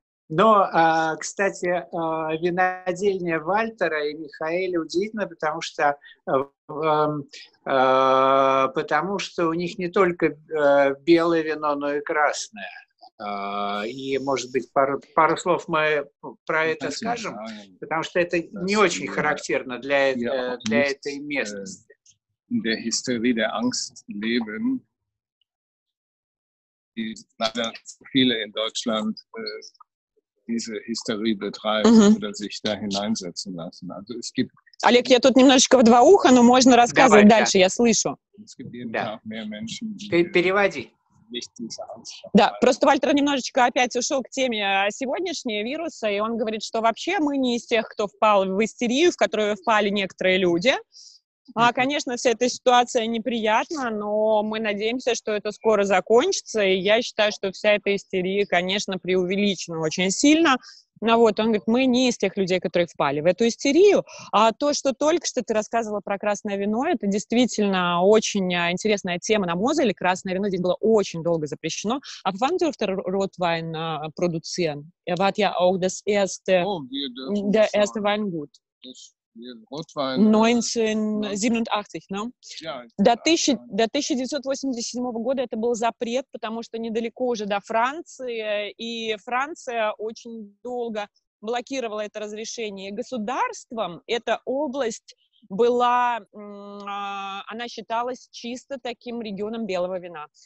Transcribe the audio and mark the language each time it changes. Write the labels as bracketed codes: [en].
[ru] Но, кстати, винодельня Вальтера и Михаэля удивительна, потому что у них не только белое вино, но и красное. И, может быть, пару слов мы про это скажем, потому что это не очень характерно для этой местности. [de] In der Hysterie der Angst leben, die leider viele in Deutschland diese Hysterie betreiben mhm. oder sich da hineinsetzen lassen. Also es gibt [ru] Олег, я тут немножечко в два уха, но можно рассказывать Давай, дальше, да. я слышу. Да. Переводи. Да, просто Вальтер немножечко опять ушел к теме сегодняшнего вируса, и он говорит, что вообще мы не из тех, кто впал в истерию, в которую впали некоторые люди. А, конечно, вся эта ситуация неприятна, но мы надеемся, что это скоро закончится, и я считаю, что вся эта истерия, конечно, преувеличена очень сильно. Ну вот, он говорит, мы не из тех людей, которые впали в эту истерию, а то, что только что ты рассказывала про красное вино, это действительно очень интересная тема на Мозеле, красное вино здесь было очень долго запрещено. [de] А wann durfte Rotwein produzieren? Er war ja auch das erste, der erste Weingut. 1987, no? [ru] До 1987 года это был запрет, потому что недалеко уже до Франции, и Франция очень долго блокировала это разрешение. Государством эта область была, она считалась чисто таким регионом белого вина.